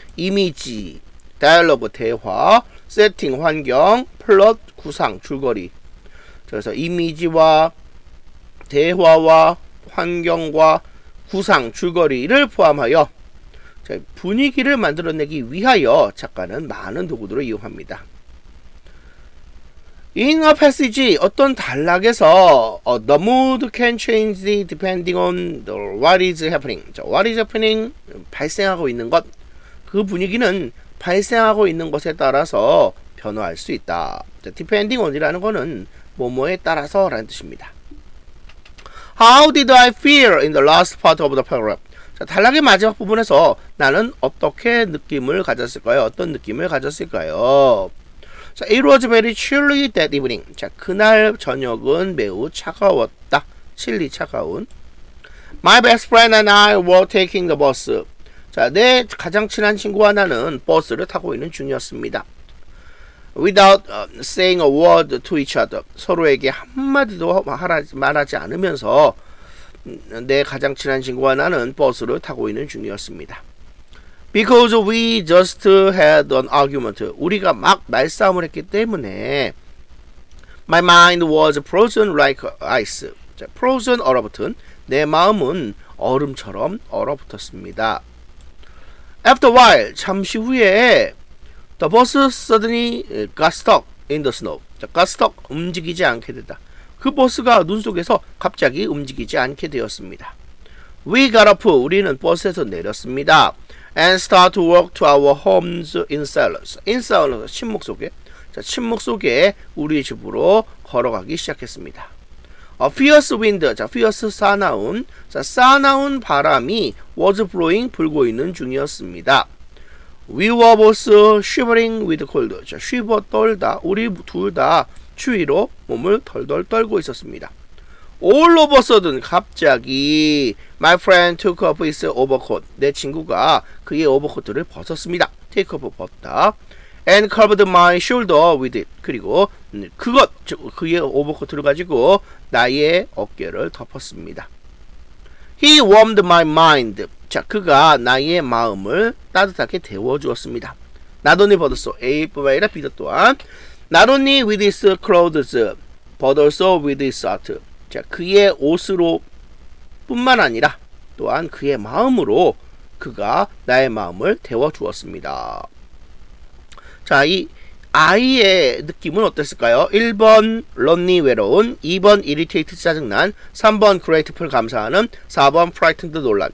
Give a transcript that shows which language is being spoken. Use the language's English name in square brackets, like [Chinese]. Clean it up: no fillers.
[Korean] 이미지, 다이얼로그, 대화, 세팅, 환경, 플롯, 구상, 줄거리. 그래서 이미지와 대화와 환경과 구상, 줄거리를 포함하여 분위기를 만들어내기 위하여 작가는 많은 도구들을 이용합니다. [English] In a passage, [Korean] 어떤 단락에서 [English] the mood can change depending on what is happening. What is happening? [Korean] 발생하고 있는 것. 그 분위기는 발생하고 있는 것에 따라서 변화할 수 있다. Depending on이라는 것은 뭐뭐에 따라서 라는 뜻입니다. [English] How did I feel in the last part of the paragraph? [Korean] 자, 단락의 마지막 부분에서 나는 어떻게 느낌을 가졌을까요? 어떤 느낌을 가졌을까요? [English] 자, it was very chilly that evening. [Korean] 자, 그날 저녁은 매우 차가웠다. 칠리 차가운. [English] My best friend and I were taking the bus. [Korean] 자, 내 가장 친한 친구와 나는 버스를 타고 있는 중이었습니다. [English] Without saying a word to each other. [Korean] 서로에게 한마디도 말하지 않으면서 내 가장 친한 친구와 나는 버스를 타고 있는 중이었습니다. [English] Because we just had an argument. [Korean] 우리가 막 말싸움을 했기 때문에 [English] My mind was frozen like ice. [Korean] 자, frozen 얼어붙은 내 마음은 얼음처럼 얼어붙었습니다. [English] After a while, [Korean] 잠시 후에 [English] The bus suddenly got stuck in the snow. [Korean] 자, got stuck, 움직이지 않게 됐다. 그 버스가 눈 속에서 갑자기 움직이지 않게 되었습니다. [English] We got up. [Korean] 우리는 버스에서 내렸습니다. [English] And start to walk to our homes in silence. [Korean] In silence, 침묵 속에. 자, 침묵 속에 우리 집으로 걸어가기 시작했습니다. [English] A fierce wind. [Korean] 자, fierce 사나운. 자, 사나운 바람이 [English] was blowing, [Korean] 불고 있는 중이었습니다. [English] We were both shivering with cold. 자, shiver 떨다. [Korean] 우리 둘 다 추위로 몸을 덜덜 떨고 있었습니다. [English] All of a sudden, 갑자기 My friend took off his overcoat. [Korean] 내 친구가 그의 오버코트를 벗었습니다. [English] Take off, 벗다. And covered my shoulder with it. [Korean] 그리고 그것, 그의 오버코트를 가지고 나의 어깨를 덮었습니다. [English] He warmed my mind. [Korean] 자, 그가 나의 마음을 따뜻하게 데워주었습니다. [English] Not only but so, [Korean] A뿐만 아니라 B도 또한 [English] Not only with his clothes, but also with his heart. [Korean] 자, 그의 옷으로 뿐만 아니라 또한 그의 마음으로 그가 나의 마음을 데워주었습니다. 자, 이 아이의 느낌은 어땠을까요? 1번 lonely 외로운, 2번 irritated 짜증난, 3번 grateful 감사하는, 4번 frightened 놀란.